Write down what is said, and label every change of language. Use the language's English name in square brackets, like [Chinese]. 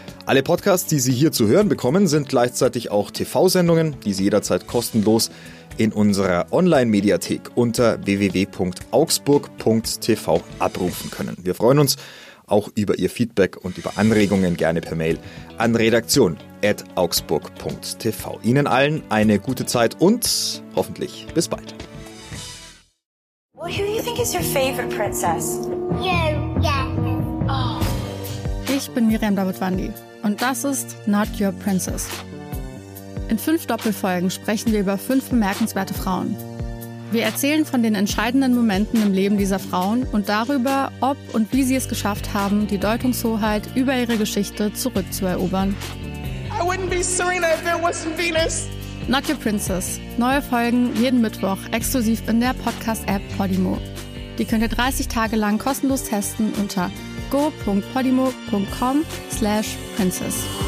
[German] Alle Podcasts, die Sie hier zu hören bekommen, sind gleichzeitig auch TV-Sendungen, die Sie jederzeit kostenlos in unserer Online-Mediathek unter www.augsburg.tv abrufen können. Wir freuen uns auch über Ihr Feedback und über Anregungen gerne per Mail an redaktion@augsburg.tv. Ihnen allen eine gute Zeit und hoffentlich bis bald. [English] Well, who do you think is your favorite princess? Yes. [German] Ich bin Miriam Dabutwandi und das ist Not Your Princess. In 5 Doppelfolgen sprechen wir über 5 bemerkenswerte Frauen. Wir erzählen von den entscheidenden Momenten im Leben dieser Frauen und darüber, ob und wie sie es geschafft haben, die Deutungshoheit über ihre Geschichte zurückzuerobern. [English] I wouldn't be Serena if there wasn't Venus. Not Your Princess. [German] Neue Folgen jeden Mittwoch exklusiv in der Podcast-App Podimo. Die könnt ihr 30 Tage lang kostenlos testen unter go.podimo.com/princess.